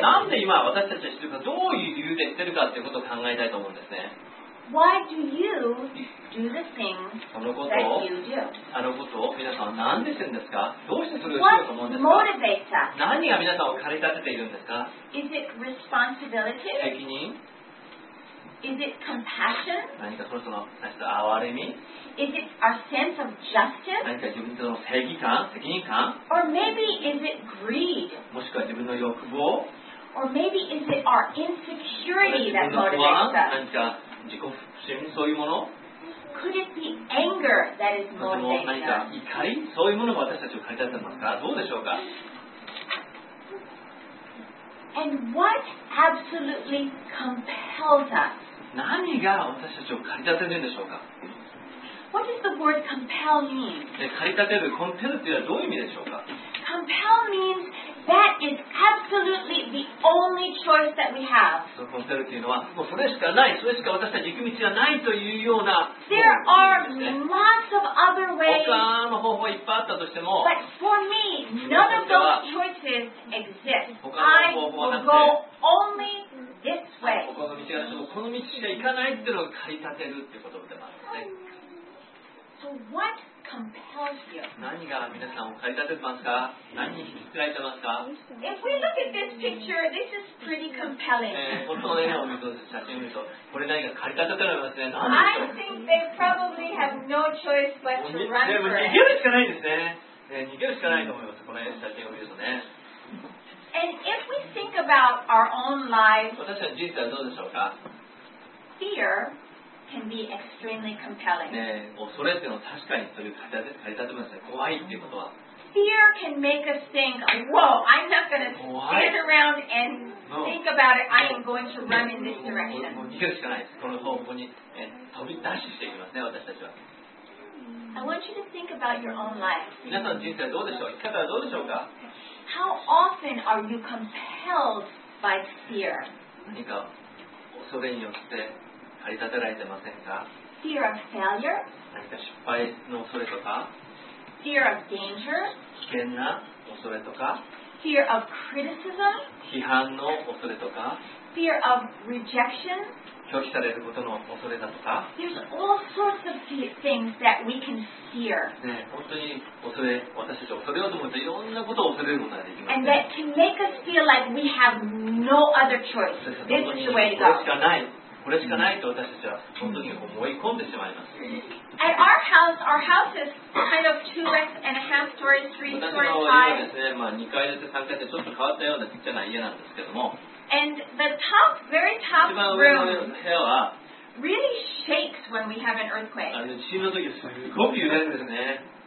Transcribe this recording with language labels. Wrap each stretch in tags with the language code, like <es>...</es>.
<ja>なんで今私たちはしてるか、どういう理由でしてるかっていうことを考えたいと思うんですね。</ja> <en>Why do you do the things that you do?</en> <ja>あのことを皆さんは何でしてるんですか。どうしてそれをしようと思うんですか。</ja> <en>What motivates us?</en> <ja>何が皆さんを駆り立てているんですか。</ja> <en>Is it responsibility?</en> <ja>責任。</ja> <en>Is it compassion?</en> <ja>何かその人の対する憐れみ。</ja> <en>Is it our sense of justice?</en> <ja>何か自分との正義感、責任感。</ja> <en>Or maybe is it greed?</en> <ja>もしくは自分の欲望。</ja> <en>Or maybe is it our insecurity that motivates us?</en> <ja>何か自己不信、そういうもの。</ja> <en>Could it be anger that is motivating</en> <ja>何か怒り、そういうものも私たちを駆り立てますか。どうでしょうか。</ja> <en>And what absolutely compels us?</en> <ja>何が私たちを駆り立てるんでしょうか。</ja> <en>What does the word compel mean?</en> <ja>駆り立てる、コンペルというのはどういう意味でしょうか。</ja> <en>Compel means that is absolutely the only choice that we have.</en> <ja>そのコンペルというのは、もうそれしかない、それしか私たち行く道がないというような。</ja> <en>There are lots of other ways.</en> <ja>他の方法いっぱいあったとしても。</ja> <en>But for me, none of those choices exist. I will go only this way.</en> <ja>他の道がない、この道しか行かないっていうのを駆り立てるっていうことでもあるんですね。</ja> <en>So what compels you?</en> <ja>何が皆さんを駆り立てますか？何に引き付けられてますか？</ja> <en>If we look at this picture, this is pretty compelling.</en> <ja>この絵を見ると、写真を見ると、これ何か駆り立てられますね。</ja> <en>I think they probably have no choice but to run for it.</en> <ja>逃げるしかないですね。逃げるしかないと思います。この写真を見るとね。</ja> <en>And if we think about our own lives,</en> <ja>私たちの人生はどうでしょうか？</ja> <en>Fear. Can be extremely compelling.</en> <ja>ね、恐れっていうのは確かにそれを駆り立てますね。怖いっていうことは。</ja> <en>Fear can make us think, "Whoa, I'm not going to stand around and think about it. I am going to run in this direction."</en> <ja>もう逃げるしかないです。この方向に、飛びダッシュしていきますね、私たちは。</ja> <en>I want you to think about your own life.</en> <ja>皆さんの人生はどうでしょう。生き方はどうでしょうか。</ja> <en>How often are you compelled by fear?</en> <ja>何か恐れによって。駆り立てられてませんか。</ja> <en>Fear of failure?</en> <ja>何か失敗の恐れとか。</ja> <en>Fear of danger?</en> <ja>危険な恐れとか。</ja> <en>Fear of criticism?</en> <ja>批判の恐れとか。</ja> <en>Fear of rejection?</en> <ja>拒否されることの恐れだとか。</ja> <en>There's all sorts of things that we can fear.</en> <ja>ね、本当に恐れ、私たちを恐れようと思うといろんなことを恐れることができます、ね。</ja> <en>And that can make us feel like we have no other choice. This is the way to go.</en> <ja>これしかない。これしかないと私たちは本当に思い込んでしまいます。</ja> <en>At our house, our house is kind of two and a half stories, three stories high.</en> <ja>私の家はですね、まあ二階建て三階建てちょっと変わったような小さな家なんですけども。</ja> <en>And the top, very top room,</en> <ja>一番上の部屋は</ja> <en>really shakes when we have an earthquake.</en> <ja>地震の時すごく揺れるんですね。</ja>